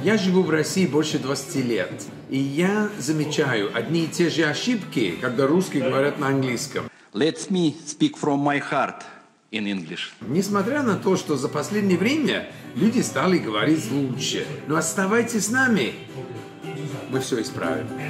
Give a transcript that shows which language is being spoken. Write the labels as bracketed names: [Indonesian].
[Russian] Я живу в России больше 20 лет. И я замечаю одни и те же ошибки, когда русские говорят на английском. [English] Let me speak from my heart in English. [Russian] Несмотря на то, что за последнее время люди стали говорить лучше. Но оставайтесь с нами. Мы все исправим.